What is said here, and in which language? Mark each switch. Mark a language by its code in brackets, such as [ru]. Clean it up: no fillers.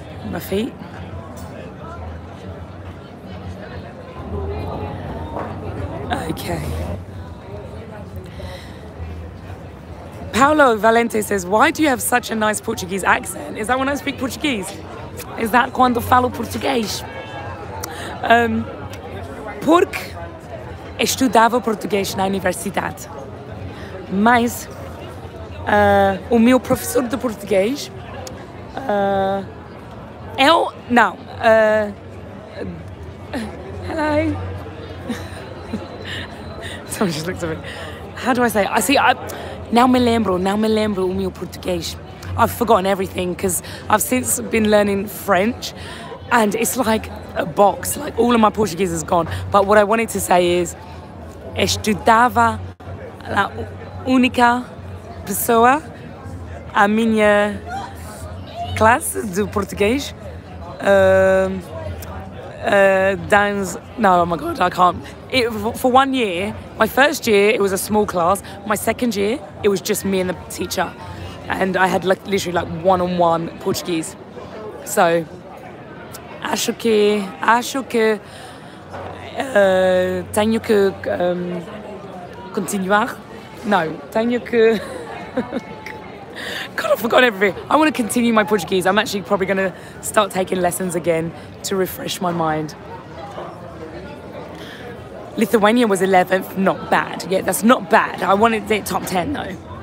[en] My feet. Okay. Paulo Valente says, why do you have such a nice Portuguese accent? Is that when I speak Portuguese? Is that [pt] quando falo português? Porque estudava português na universidade. Mas o meu professor de português, [en] hello. Someone just looked at me. How do I say it? Now [pt] me lembro o meu português. [en] I've forgotten everything because I've since been learning French and it's like a box, like all of my Portuguese is gone. But what I wanted to say is, [pt] estudava la única pessoa a minha classe de português. [en] Oh my God, I can't. It, for 1 year, my first year, it was a small class. My second year, it was just me and the teacher. And I had literally one-on-one Portuguese. So, [pt] acho que tenho que continuar. No, tenho que... [en] God, I forgot everything. I want to continue my Portuguese. I'm actually probably going to start taking lessons again to refresh my mind. Lithuania was 11th, not bad. Yeah, that's not bad. I wanted it top 10 though.